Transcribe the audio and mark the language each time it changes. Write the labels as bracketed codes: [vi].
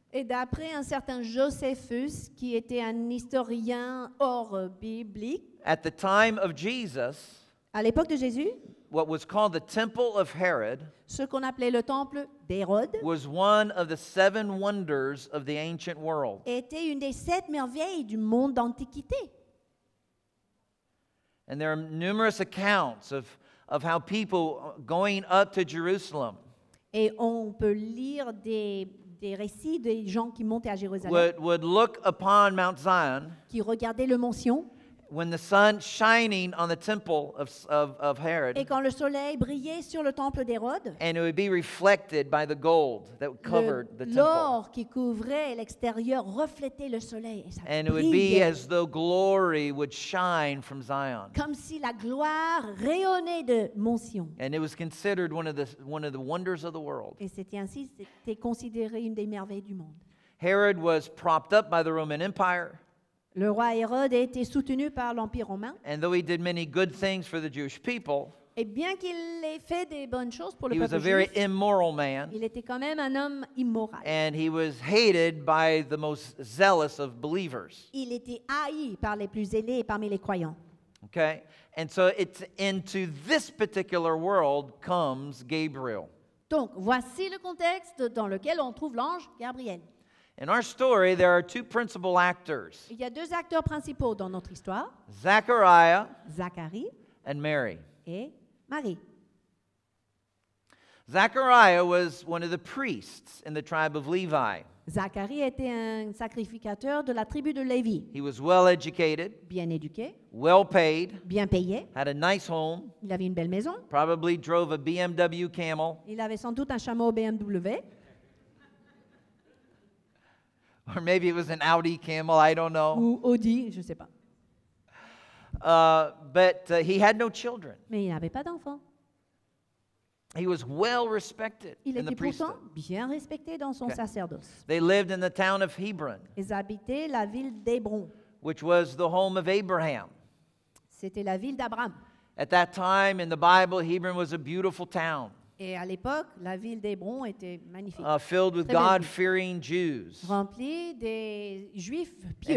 [fr] et d'après un certain Josephus, qui était un historien hors biblique, [en] at the time of Jesus, [fr] à l'époque de Jésus, [en] what was called the Temple of Herod, [fr] ce qu'on appelait le temple d'Hérode, [en] was one of the 7 wonders of the ancient world. [fr] Était une des 7 merveilles du monde d'antiquité. [en] And there are numerous accounts of how people going up to Jerusalem. [fr] Et on peut lire des récits des gens qui montaient à Jérusalem. [en] Would look upon Mount Zion. [fr] Qui regardaient le Mont Sion. [en] When the sun shining on the temple of Herod, [fr] et quand le soleil brillait sur le temple d'Hérode, [en] and it would be reflected by the gold that covered the temple, [fr] l'or qui couvrait l'extérieur reflétait le soleil, et ça [en] brillait. And it would be as though glory would shine from Zion, [fr] comme si la gloire rayonnait de Mont Sion. [en] And it was considered one of the wonders of the world. [fr] Et c'était ainsi, c'était considéré une des merveilles du monde. [en] Herod was propped up by the Roman Empire. [fr] Le roi Hérode a été soutenu par l'Empire romain. [en] And though he did many good things for the Jewish people, [fr] et bien qu'il ait fait des bonnes choses pour le peuple [en] juif, he was a very immoral man. [fr] Il était quand même un homme immoral. [en] And he was hated by the most zealous of believers. [fr] Il était haï par les plus zélés parmi les croyants. [en] Okay. And so it's into this particular world comes Gabriel. [fr] Donc voici le contexte dans lequel on trouve l'ange Gabriel. [en] In our story, there are 2 principal actors. [fr] Il y a 2 acteurs principaux dans notre histoire. [en] Zachariah and Mary. [fr] Et Marie. [en] Zachariah was one of the priests in the tribe of Levi. [fr] Zacharie était un sacrificateur de la tribu de Lévi. [en] He was well educated. [fr] Bien éduqué. [en] Well paid. [fr] Bien payé. [en] Had a nice home. [fr] Il avait une belle maison. [en] Probably drove a BMW camel. [fr] Il avait sans doute un chameau BMW. [en] Or maybe it was an Audi camel, I don't know. [fr] Ou Audi, je sais pas. [en] But he had no children. [fr] Mais il n'avait pas d'enfants. [en] He was well respected [fr] il [en] in the priesthood. [fr] Il était pourtant bien respecté dans son sacerdoce. [en] They lived in the town of Hebron. [fr] Ils habitaient la ville d'Hébron. [en] Which was the home of Abraham. [fr] C'était la ville d'Abraham. [en] At that time in the Bible, Hebron was a beautiful town. [fr] Et à l'époque, la ville d'Hébron était magnifique. [en] Filled with God-fearing Jews. [fr] Remplie des Juifs pieux.